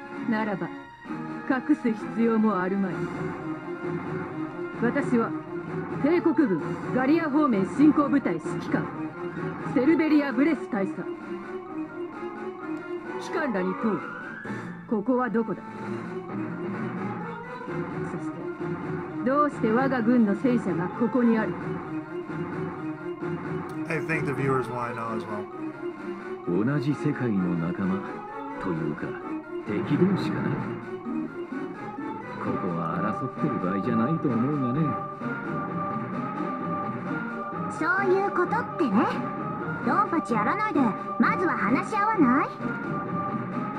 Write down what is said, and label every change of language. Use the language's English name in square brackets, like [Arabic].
[Japanese] ならば、隠す必要もあるまい。私は帝国軍ガリア方面進行部隊指揮官セルベリア・ブレス大佐。機関らに問う。ここはどこだ？そしてどうして我が軍の戦車がここにある？ [English] I think the viewers want to know as well. [Japanese] 同じ世界の仲間というか敵同士かな。ここは争ってる場合じゃないと思うがね。そういうことってね。ドンパチやらないで、まずは話し合わない？